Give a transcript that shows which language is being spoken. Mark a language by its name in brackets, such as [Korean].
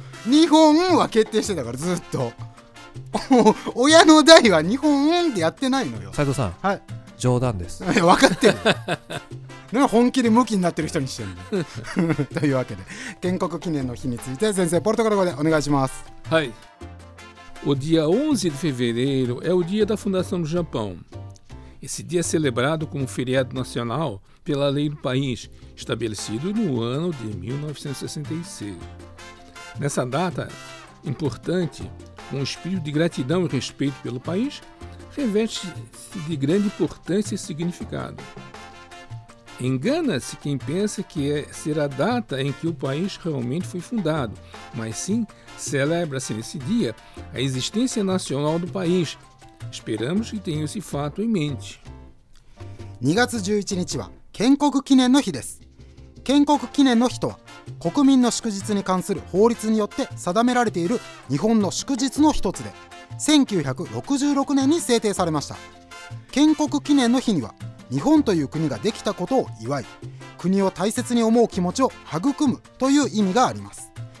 [Japanese] 日本は決定してたからずっと。親の代は日本ってやってないのよ。斉藤さん、はい、冗談です。いや分かってる。でも本気でムキになってる人にしてるんだ。というわけで建国記念の日について先生ポルトガル語でお願いします。 [Portuguese] はい、 O dia 11 de fevereiro é o dia da fundação do Japão. Esse dia é celebrado como feriado nacional pela lei do país, estabelecido no ano de 1966. Nessa data importante, um espírito de gratidão e respeito pelo país reveste-se de grande importância e significado. Engana-se quem pensa que será a data em que o país realmente foi fundado, mas sim celebra-se nesse dia a existência nacional do país. Esperamos que tenha esse fato em mente. [Japanese] 2月11日は建国記念の日です。建国記念の日とは、国民の祝日に関する法律によって定められている日本の祝日の一つで、1966年に制定されました。建国記念の日には、日本という国ができたことを祝い、国を大切に思う気持ちを育むという意味があります。